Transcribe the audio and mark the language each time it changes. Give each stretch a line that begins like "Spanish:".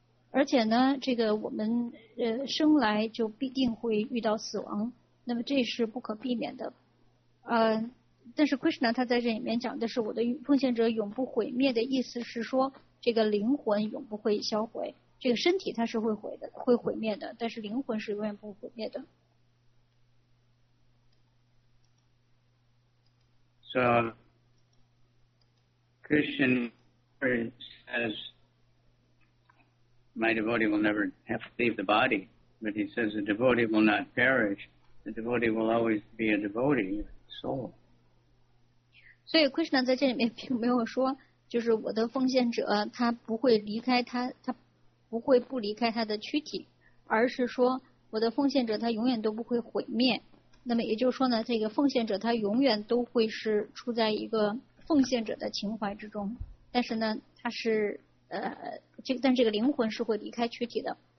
Chinese: 而且呢，这个我们生来就必定会遇到死亡，那么这是不可避免的。但是 Krishna 他在这里面讲的是，我的奉献者永不毁灭的意思是说，这个灵魂永不会销毁，这个身体它是会毁的，会毁灭的，但是灵魂是永远不毁灭的。
English: So Krishna says, my devotee will never have to leave the body, but he says the devotee will not perish. The devotee will always be a devotee, a soul.
Chinese: So Krishna 在这里面并没有说，就是我的奉献者他不会离开他不会不离开他的躯体，而是说我的奉献者他永远都不会毁灭。那么也就是说呢，这个奉献者他永远都会是处在一个奉献者的情怀之中，但是呢，他是但这个灵魂是会离开躯体的。